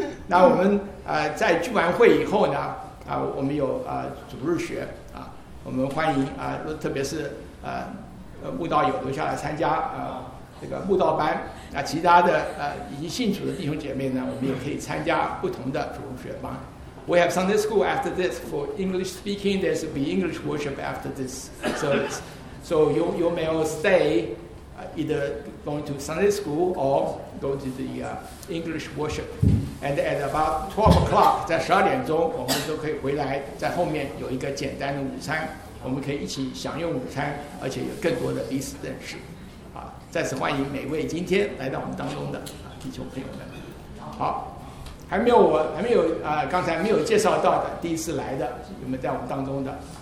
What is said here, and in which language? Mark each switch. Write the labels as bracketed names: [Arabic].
[Chinese] 那我们在聚完会以后呢，我们有主日学啊，我们欢迎特别是慕道友留下来参加这个慕道班。那其他的已经信主的弟兄姐妹呢，我们也可以参加不同的主日学班。 [English] We have Sunday school after this for English speaking. There's be English worship after this service. So you may all stay. Either going to Sunday school or go to the English worship. And at about 12 o'clock, [Chinese] 在十二点钟，我们都可以回来，在后面有一个简单的午餐，我们可以一起享用午餐，而且有更多的彼此认识。再次欢迎每位今天来到我们当中的弟兄朋友们。好，还没有刚才没有介绍到的，第一次来的，有没有在我们当中的？